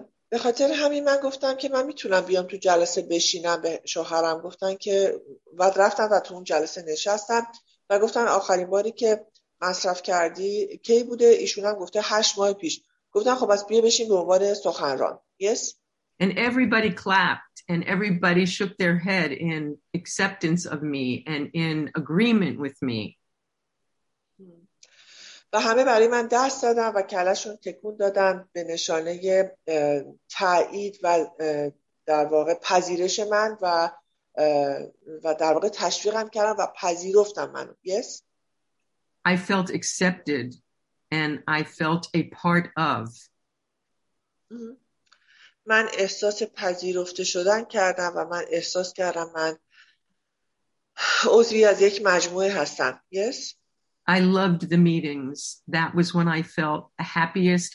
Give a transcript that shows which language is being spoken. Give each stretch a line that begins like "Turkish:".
Persian: به خاطر همین من گفتم که من میتونم بیام تو جلسه بشینم. به شوهرم گفتن که بعد رفتم و تو اون جلسه نشستم و گفتن آخرین باری که مصرف کردی کی بوده؟ ایشون هم گفته 8 ماه پیش. گفتن خب بس بیا بشین به عنوان سخنران.
English: Yes? And everybody clapped and everybody shook their head in acceptance of me and in agreement with me.
Persian: و همه برای من دست دادن و کلشون تکون دادن به نشانه تایید و در واقع پذیرش من و در واقع تشویقم کردن و پذیرفتن منو.
English: Yes? I felt accepted and I felt a part of.
Persian: من احساس پذیرفته شدن کردم و من احساس کردم من عضوی از یک مجموعه هستم.
English: Yes? I loved the meetings. That was when I felt happiest.